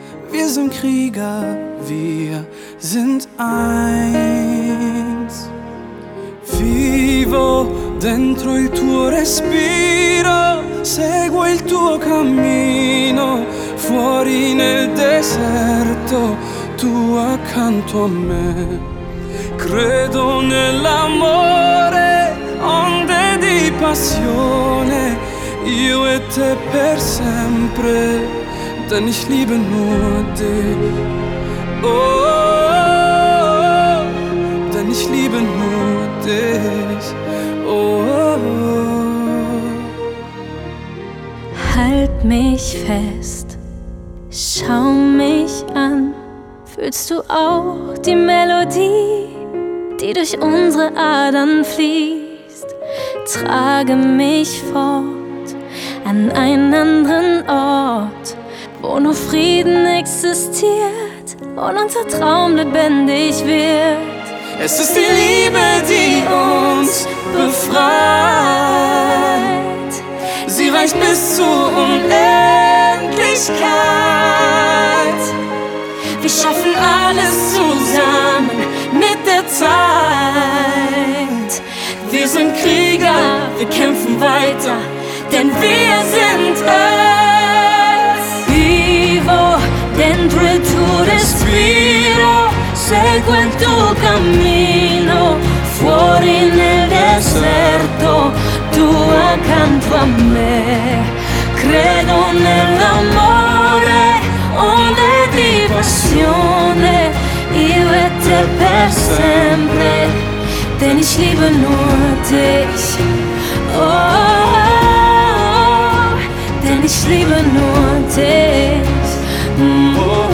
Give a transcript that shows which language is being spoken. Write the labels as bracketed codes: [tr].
[de] Wir sind Krieger, wir sind eins. [it] Vivo dentro il tuo respiro, seguo il tuo cammino, fuori nel deserto, tu accanto a me. Credo nell'amore, onde di passione, io e te per sempre, [de] denn ich liebe nur dich. Oh, denn ich liebe nur dich. Oh, oh, oh. Halt mich fest, schau mich an. Fühlst du auch die Melodie, die durch unsere Adern fließt? Trage mich fort an einen anderen Ort, wo nur Frieden existiert und unser Traum lebendig wird. Es ist die Liebe, die uns befreit. Sie reicht bis zur Unendlichkeit. Wir schaffen alles zusammen mit der Zeit. Wir sind Krieger, wir kämpfen weiter, denn wir sind es. [it] Vivo dentro il tuo respiro, seguo il tuo cammino, fuori nel deserto, tu accanto a me. Credo nell'amore, onde di passione, io e te per sempre, [de] denn ich liebe nur dich. Oh, denn ich liebe nur dich.